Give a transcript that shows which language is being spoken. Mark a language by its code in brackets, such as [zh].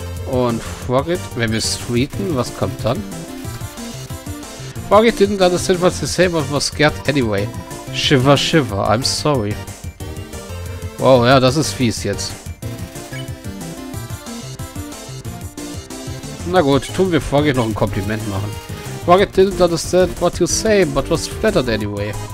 [de] Und Froggit, wenn wir streeten, was kommt dann? [en] Froggit didn't understand what they say, but was scared anyway. Shiver, shiver, I'm sorry. [de] Wow, ja, das ist fies jetzt. Na gut, tun wir Froggit noch ein Kompliment machen. [en] Froggit didn't understand what you say, but was flattered anyway.